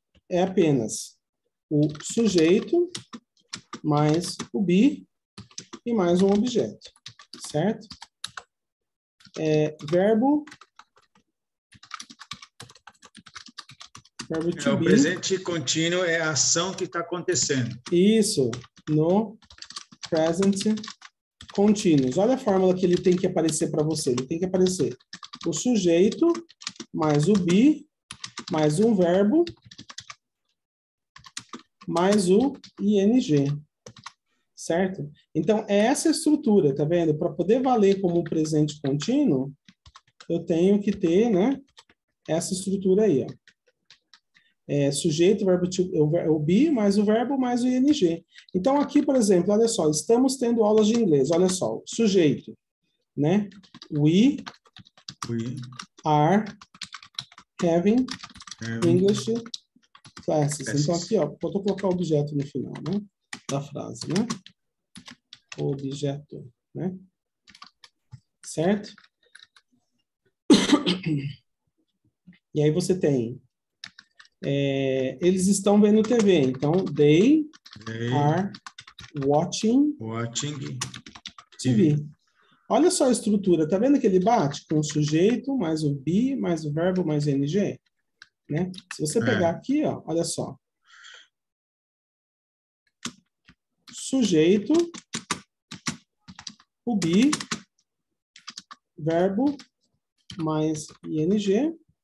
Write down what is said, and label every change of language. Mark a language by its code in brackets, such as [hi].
[pt] É apenas o sujeito mais o be e mais um objeto, certo? Verbo to O be. presente contínuo é a ação que está acontecendo. Isso, no present continuous. Olha a fórmula que ele tem que aparecer para você. Ele tem que aparecer o sujeito mais o be, mais um verbo, mais o ing. Certo? Então, é essa estrutura, tá vendo? Para poder valer como presente contínuo, eu tenho que ter, né, essa estrutura aí, ó. sujeito, verbo to, o be, mais o verbo, mais o ing. Então, aqui, por exemplo, olha só, estamos tendo aulas de inglês, olha só, sujeito, né? [en] We are having English classes. [pt] Então, aqui, ó, vou colocar o objeto no final, né? Da frase, né? Objeto, né? Certo? E aí você tem. Eles estão vendo TV. [en] Então, they are watching TV. [pt] Olha só a estrutura. Tá vendo que ele bate com o sujeito, mais o be, mais o verbo, mais o ing? Né? Se você pegar aqui, ó, olha só. Sujeito, o be, verbo, mais ing.